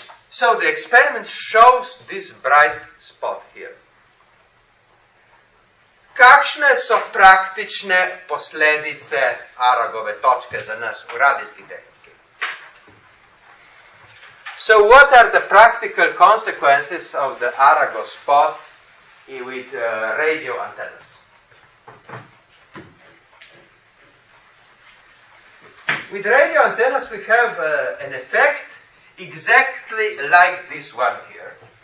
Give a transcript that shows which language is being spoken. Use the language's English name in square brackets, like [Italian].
[English] So the experiment shows this bright spot here. [Slovenian] Kakšne so praktične posledice Aragove točke za nas v radijski tehniki? [English] So what are the practical consequences of the Arago spot with radio antennas? With radio antennas we have an effect exactly like this one here.